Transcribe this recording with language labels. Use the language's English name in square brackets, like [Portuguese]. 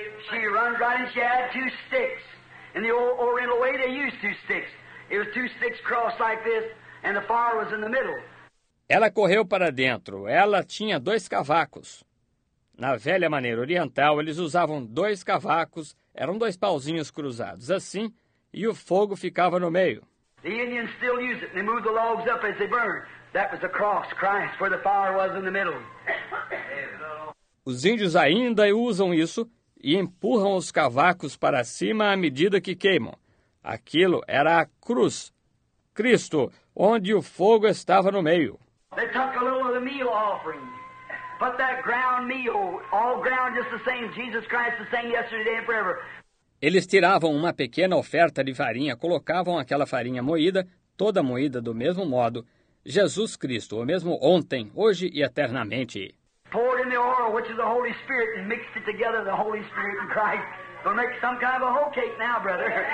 [English] She runs right and she had two sticks. In the old Oriental way, they used two sticks. It was two sticks crossed like this, and the fire was in the middle. [Portuguese] Ela correu para dentro. Ela tinha dois cavacos. Na velha maneira oriental, eles usavam dois cavacos. Eram dois pauzinhos cruzados, assim, e o fogo ficava no meio. [English] The Indians still use it. They move the logs up as they burn. That was the cross, Christ, where the fire was in the middle. [Portuguese] Os índios ainda usam isso e empurram os cavacos para cima à medida que queimam. Aquilo era a cruz, Cristo, onde o fogo estava no meio. [English] They took a little of the meal offering, but that ground meal, all ground just the same, Jesus Christ the same yesterday and forever. [Portuguese] Eles tiravam uma pequena oferta de farinha, colocavam aquela farinha moída, toda moída do mesmo modo, Jesus Cristo, o mesmo ontem, hoje e eternamente. [English] Poured in the oil, which is the Holy Spirit, and mixed it together, the Holy Spirit and Christ. We'll make some kind of a whole cake now, brother.